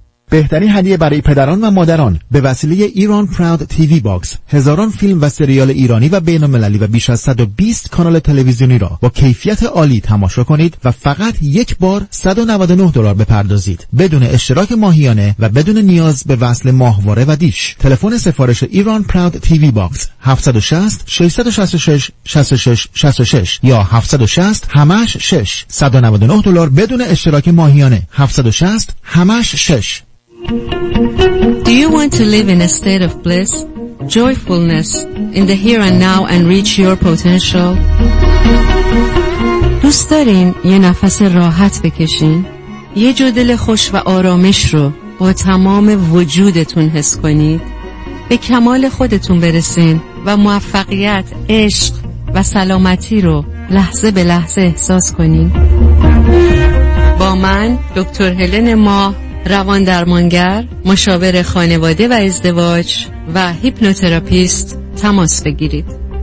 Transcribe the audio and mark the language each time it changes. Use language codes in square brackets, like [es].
[fa] بهترین هدیه برای پدران و مادران به وسیله ایران پراود تیوی باکس، هزاران فیلم و سریال ایرانی و بین‌المللی و بیش از 120 کانال تلویزیونی را با کیفیت عالی تماشا کنید و فقط یک بار $199 بپردازید بدون اشتراک ماهیانه و بدون نیاز به وصل ماهواره و دیش. تلفن سفارش ایران پراود تیوی باکس 760-666-6666 یا 760-6 $199 بدون اشتراک ماهیانه 760-6. [en] Do you want to live in a state of bliss, joyfulness, in the here and now and reach your potential? [fa] دوست دارین یه نفس راحت بکشین؟ یه جدل خوش و آرامش رو با تمام وجودتون حس کنید؟ به کمال خودتون برسین و موفقیت، عشق و سلامتی رو لحظه به لحظه احساس کنین؟ با من دکتر هلن ما، روان درمانگر، مشاور خانواده و ازدواج و هیپنوتراپیست تماس بگیرید.